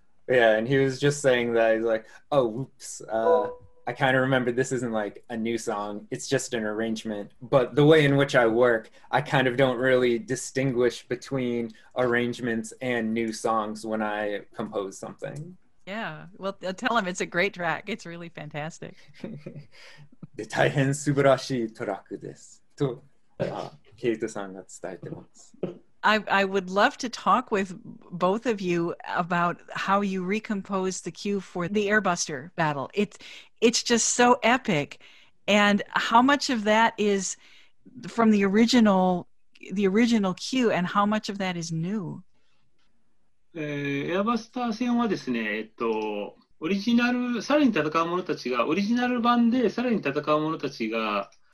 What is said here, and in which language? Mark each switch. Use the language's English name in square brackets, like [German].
[English] Yeah, and he was just saying that. He's like, oh, whoops. I kind of remember this isn't like a new song. It's just an arrangement. But the way in which I work, I kind of don't really distinguish between arrangements and new songs when I compose something. Yeah, well, tell him it's a great track. It's really fantastic. [Japanese] で大変素晴らしいトラックですとケイトさんが伝えてます。 [English] I would love to talk with both of you about how you recompose the cue for the Airbuster battle. It's just so epic. And how much of that is from the original cue and how much of that is new? [Japanese] Airbuster 戦はですね、オリジナル、さらに戦う者たちが、オリジナル版でさらに戦う者たちが、